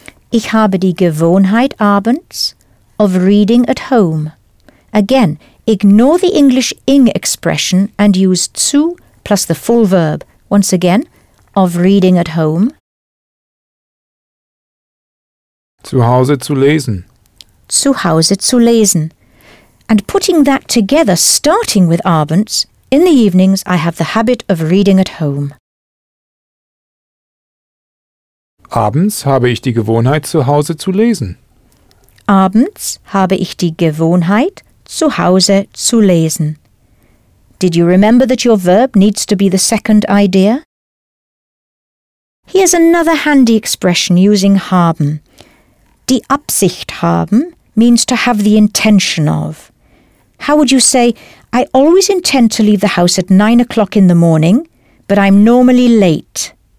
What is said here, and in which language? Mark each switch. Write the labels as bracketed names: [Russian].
[German] Ich habe die Gewohnheit abends [English] of reading at home. Again, ignore the English ing expression and use zu plus the full verb, once again, of reading at home. [German] Zu Hause zu lesen. zu Hause zu lesen. [English] And putting that together, starting with Abends, in the evenings I have the habit of reading at home. [German] Abends habe ich die Gewohnheit, zu Hause zu lesen. Abends habe ich die Gewohnheit, zu Hause zu lesen. [English] Did you remember that your verb needs to be the second idea? Here's another handy expression using haben. Die Absicht haben means to have the intention of. How would you say, I always intend to leave the house at 9 o'clock in the morning, but I'm normally late?